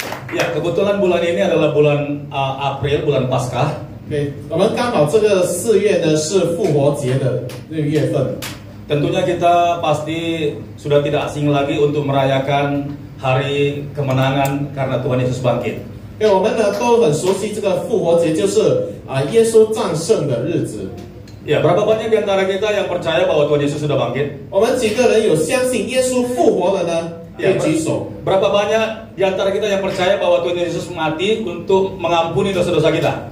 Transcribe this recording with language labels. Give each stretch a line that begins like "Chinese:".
Indonesian: Ya, kebetulan bulan ini adalah bulan April, bulan Paskah.
Chinese: Okay, 我们刚好这个四月呢是复活节的那个月份。
Indonesian: Tentunya kita pasti sudah tidak asing lagi untuk merayakan hari kemenangan karena Tuhan Yesus bangkit.
Chinese: Okay, 我们呢都很熟悉这个复活节，就是耶稣战胜的日子。
Indonesian: Ya, berapa banyak di antara kita yang percaya bahwa Tuhan Yesus sudah bangkit?
Chinese: 我们几个人有相信耶稣复活了呢？
Indonesian: Ya, berapa banyak di antara kita yang percaya bahwa Tuhan Yesus mati untuk mengampuni dosa-dosa kita?